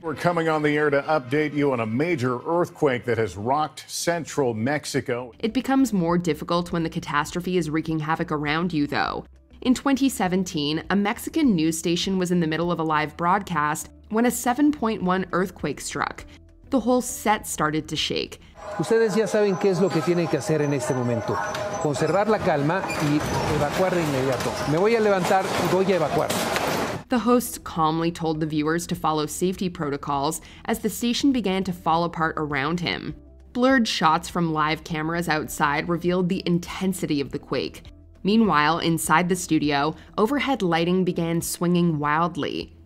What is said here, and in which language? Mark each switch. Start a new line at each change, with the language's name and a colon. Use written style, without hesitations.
English: We're coming on the air to update you on a major earthquake that has rocked central Mexico. It becomes more difficult when the catastrophe is wreaking havoc around you, though. In 2017, a Mexican news station was in the middle of a live broadcast when a 7.1 earthquake struck. The whole set started to shake.
Spanish: Ustedes ya saben qué es lo que tienen que hacer en este momento. Conservar la calma y evacuar de inmediato. Me voy a levantar y voy a evacuar.
English: The hosts calmly told the viewers to follow safety protocols as the station began to fall apart around him. Blurred shots from live cameras outside revealed the intensity of the quake. Meanwhile, inside the studio, overhead lighting began swinging wildly.